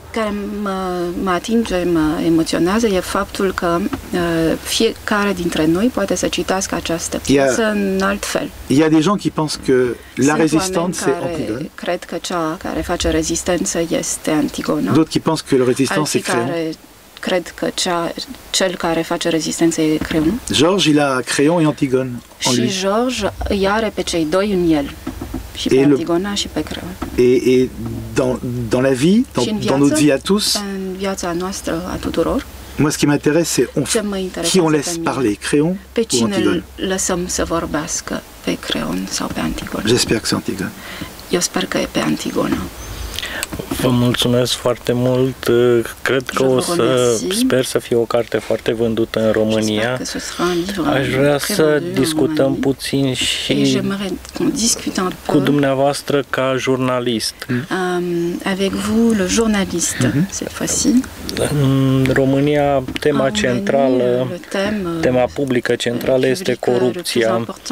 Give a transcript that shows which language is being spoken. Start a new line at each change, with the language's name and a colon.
Romanian: Care mă atinge, mă emoționează, e faptul că fiecare dintre noi poate să citească această piesă în alt fel.
French: Il y a des gens qui pensent que la résistance c'est Antigone.
Romanian: Cred că cea care face rezistență este Antigona.
French: D'autres qui pensent que le résistant c'est Creon.
Romanian: Cred că cel care face rezistență e Creon.
French: George, il a Creon et Antigone en lui.
Romanian: Și George îi are pe cei doi în el. Și pe Antigona și pe Creon.
French: Et dans la vie, dans notre vie à tous,
Romanian: în viața noastră a tuturor,
French: Moi, ce qui m'intéresse, c'est qui on laisse parler, Créon
Romanian: pe
French: ou Antigone.
Romanian: Lăsăm să vorbească pe Creon sau pe Antigone.
French: J'espère que c'est Antigone.
Romanian: Eu sper că e pe Antigone. Vă mulțumesc foarte mult. Cred că o să sper să fie o carte foarte vândută în România. Aș vrea să discutăm puțin și cu dumneavoastră ca jurnalist.
French: Avec vous le journaliste cette fois-ci.
Romanian: În România tema centrală, tema publică centrală este corupția.